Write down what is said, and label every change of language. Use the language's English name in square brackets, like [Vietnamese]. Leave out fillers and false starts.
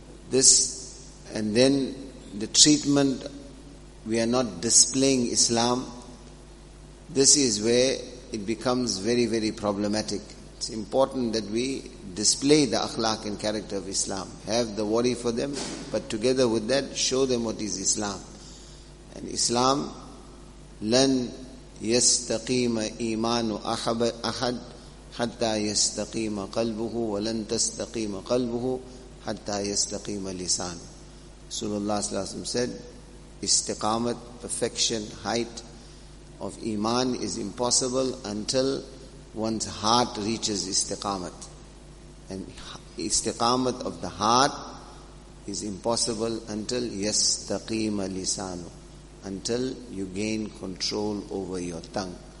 [English] This, and then the treatment, we are not displaying Islam. This is where it becomes very, very problematic. It's important that we display the akhlaq and character of Islam. Have the worry for them, but together with that, show them what is Islam. And Islam, [Arabic] لَن يَسْتَقِيمَ إِيمَانُ أَحَدْ حَتَّى يَسْتَقِيمَ قَلْبُهُ وَلَن تَسْتَقِيمَ قَلْبُهُ حَتَّى يَسْتَقِيمَ لِسَانُ. [English] Rasulullah [Arabic] صلى الله عليه وسلم [English] said, istiqamat, perfection, height of iman is impossible until one's heart reaches istiqamat. And istiqamat of the heart is impossible until yastaqima lisanu, until you gain control over your tongue.